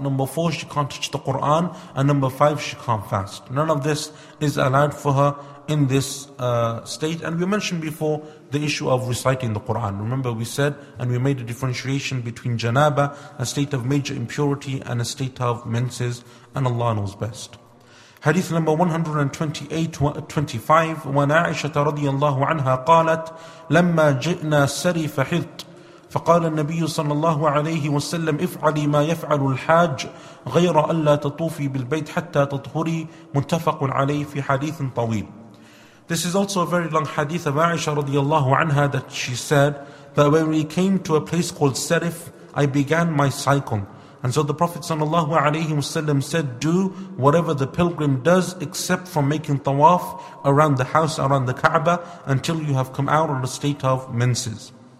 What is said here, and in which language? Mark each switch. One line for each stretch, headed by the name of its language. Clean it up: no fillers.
English: Number 4, she can't touch the Qur'an. And number 5, she can't fast. None of this is allowed for her in this state. And we mentioned before the issue of reciting the Qur'an. Remember we said, and we made a differentiation between janaba, a state of major impurity, and a state of menses, and Allah knows best. Hadith number 128-25,
Arabic: وَنَعِشَةَ رَضِيَ اللَّهُ عَنْهَا قَالَتْ لَمَّا جِئْنَا سَرِي فَحِطْ فقال النبي صلى الله عليه وسلم افعلي ما يفعل الحاج غير ألا تطوفي بالبيت حتى تطهري متفق عليه في حديث طويل.
English: This is also a very long hadith of Aisha radiallahu anha, that she said that when we came to a place called Sarif, I began my cycle. And so the Prophet sallallahu alayhi wasallam said, do whatever the pilgrim does except from making tawaf around the house, around the Kaaba, until you have come out of the state of menses.